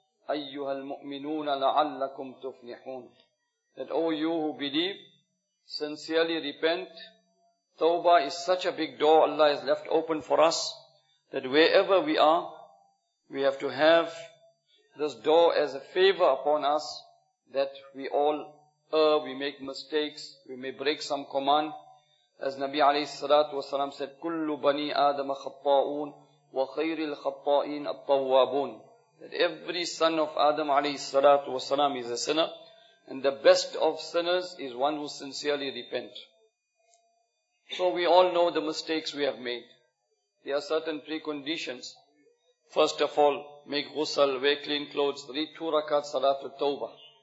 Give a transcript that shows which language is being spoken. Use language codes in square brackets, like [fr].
[ar] أيها المؤمنون لعلكم تفلحون. [en] That all you who believe, sincerely repent. Tawbah is such a big door Allah has left open for us, that wherever we are, we have to have this door as a favor upon us, that we all err, we make mistakes, we may break some command. As Nabi alayhi salatu wasalam said, [ar] كل بني آدم خطاؤون وخير الخطائين التوابون. [en] That every son of Adam alayhi salatu wasalam is a sinner, and the best of sinners is one who sincerely repent. So we all know the mistakes we have made. There are certain preconditions. First of all, make ghusl, wear clean clothes, read 2 rakat salat al tawbah.